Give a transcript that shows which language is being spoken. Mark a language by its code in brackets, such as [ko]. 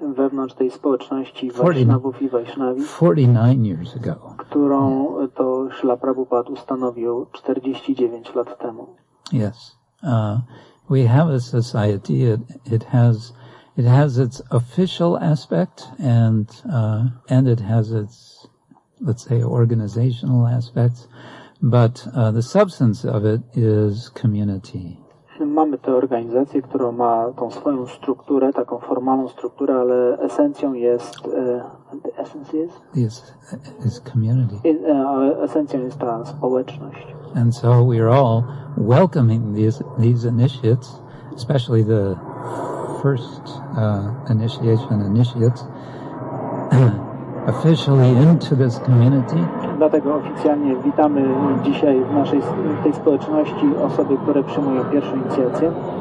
[pl] Wewnątrz tej społeczności Vaishnavów i Vaishnavi. [en] 49 years ago. [pl] Którą to Srila Prabhupada ustanowił 49 lat temu. [en] Yes. We have a society, it has its official aspect and it has its, let's say, organizational aspects, but the substance of it is community. [pl] Mamy tę organizację, która ma tą swoją strukturę, taką formalną strukturę, ale esencją jest [en] the essence is? Is community. [pl] Esencją jest ta społeczność. [en] And so we are all welcoming these initiates, especially the first initiates officially into this community. [pl] Dlatego oficjalnie witamy dzisiaj w naszej tej społeczności osoby, które przyjmują pierwszą inicjację.